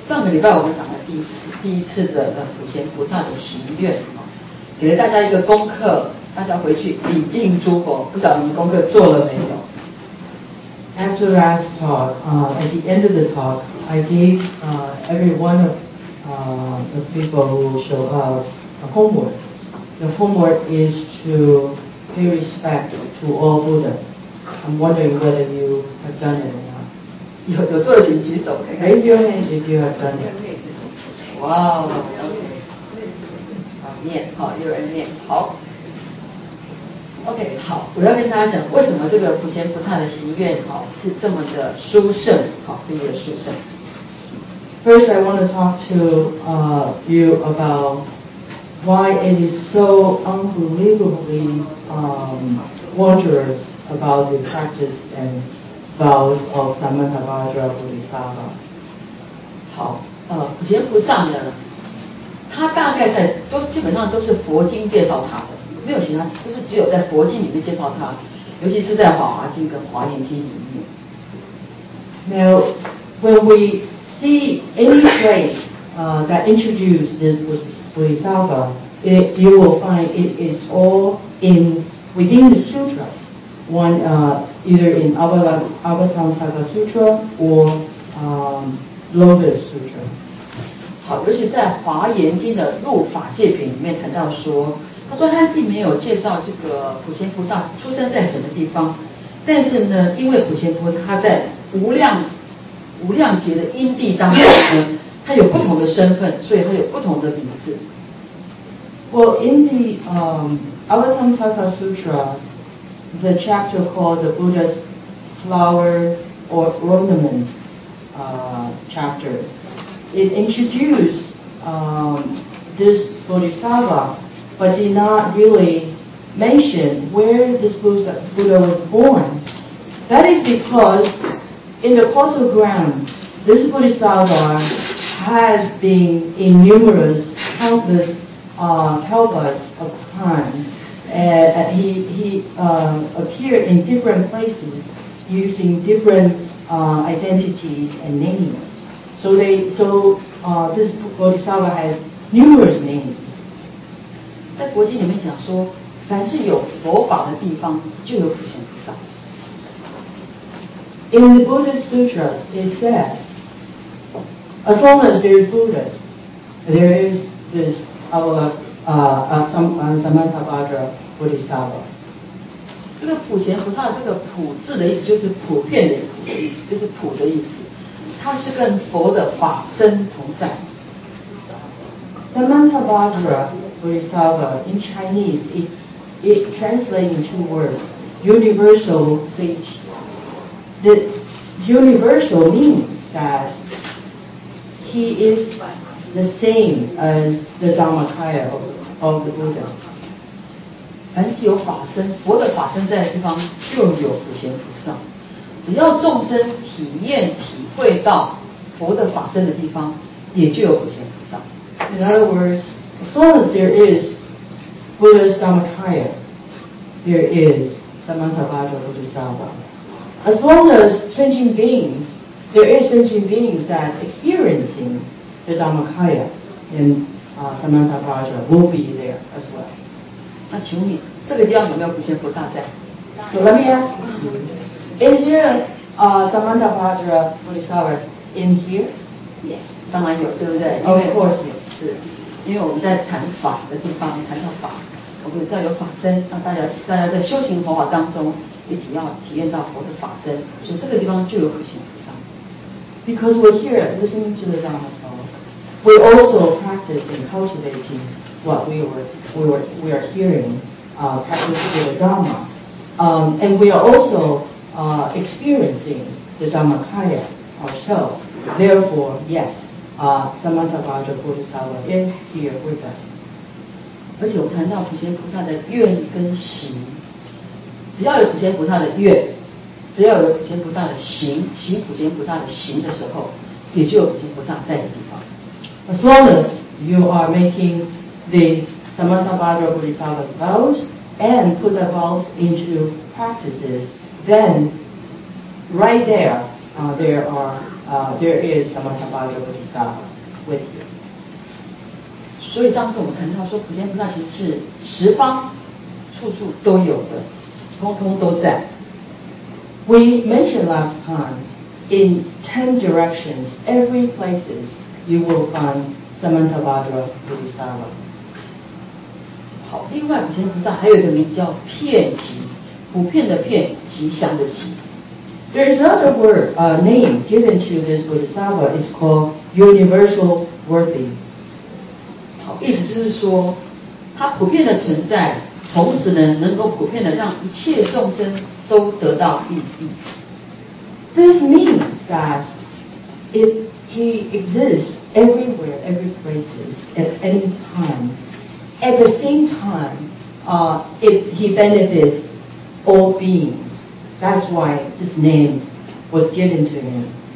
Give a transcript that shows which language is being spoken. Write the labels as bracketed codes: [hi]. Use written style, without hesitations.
[zh] 上个礼拜我们讲了第一次的普贤菩萨的行愿，给了大家一个功课，大家回去礼敬诸佛。不晓得你们功课做了没有 [en] ？After last talk, at the end of the talk, I gave every one of the people who show up a homework. The homework is to pay respect to all Buddhas. I'm wondering whether you have done it. [zh] 有做请举手，看看。 [en] Raise your hand if you have done it. Wow, OK. [zh] 好，念，好，有人念，好。 OK, 好，我要跟大家讲，为什么这个普贤菩萨的行愿是这么的殊胜，这么的殊胜。 [en] First, I want to talk to you about why it is so unbelievably wondrous about the practice andVows of Samantabhadra Bodhisattva. [zh] 好，普贤菩萨呢，他大概在都基本上都是佛经介绍他的，没有其他，就是只有在佛经里面介绍他，尤其是在《法华经》跟《华严经》里面。 [en] Now, when we see any trait that introduces this Bodhisattva, you will find it is all in within the sutras. One, either in Avatamsaka Sutra or Lotus Sutra. [zh] 好，尤其在华严经的入法界品里面谈到说，他说他并没有介绍这个普贤菩萨出生在什么地方，但是呢，因为普贤菩萨他在无量劫的因地当中呢，他有不同的身份，所以他有不同的名字。 [en] Well, in the Avatamsaka Sutra. The chapter called the Buddha's Flower or Ornament chapter. It introduced this Bodhisattva, but did not really mention where this Buddha was born. That is because in the causal ground, this Bodhisattva has been in numerous, countless kalpas of times. Appeared in different places using different identities and names. So this Bodhisattva has numerous names. [zh] 在佛经里面讲说，凡是有佛法的地方，就有普贤菩萨。 [en] In the Buddhist sutras, it says, as long as there is Buddhas, there is this Samantabhadra. Bodhisattva. [zh] 这个普贤菩萨这个普字的意思就是普遍的意思，就是普的意思，它是跟佛的法身同在。 [en] Samantabhadra Bodhisattva in Chinese it translates in two words, universal sage. The universal means that he is the same as the Dhammakaya of the Buddha. [zh] 凡是有法身，佛的法身在的地方，就有普贤菩萨。只要众生体验、体会到佛的法身的地方，也就有普贤菩萨。 [en] In other words, as long as there is Buddha's Dhammakaya, there is Samantabhadra Bodhisattva. As long as sentient beings, there is sentient beings that experiencing the Dhammakaya in Samantabhadra will be there as well. [zh] 那请问你这个地方有没有普贤菩萨在？当 [en] So let me ask you, is your Samantha Bhadra Bodhisattva in here? Yes. [zh] 当然有，对不对？ [en] Of course, yes. [zh] 是，因为我们在谈法的地方，谈到法，我们知道有法身，让大家在修行佛法当中，一定要体验到佛的法身，所以这个地方就有回向菩萨。 [en] Because we're here listening to the Dhamma talk, we also practice in cultivating what we are hearing, practice the Dhamma, and we are also experiencing the Dhammakaya ourselves. Therefore, yes. Samantha Bhadra Bodhisattva is here with us. [zh] 而且我谈到普贤菩萨的愿跟行，只要有普贤菩萨的愿，只要有普贤菩萨的行，行普贤菩萨的行的时候，也就有普贤菩萨在的地方。 [en] As long as you are making the Samantha Bhadra Bodhisattva's vows and put the vows into practices, then right there, there is Samantha Bhadra Bodhisattva with you. [zh] 所以上次我们谈到说，普贤菩萨其实是十方处处都有的，通通都在。 [en] We mentioned last time, in 10 directions, every places you will find Samantha Bhadra Bodhisattva. [zh] 好，另外普贤菩萨还有一个名字叫遍吉，普遍的遍，吉祥的吉。 [en] There is another word, name given to this Bodhisattva. It's called Universal Worthy. [zh] 好，意思就是说，它普遍的存在，同时呢，能够普遍的让一切众生都得到利益。 [en] This means that if he exists everywhere, every places, at any time, at the same time, if he benefits all beings. That's why this name was given to him.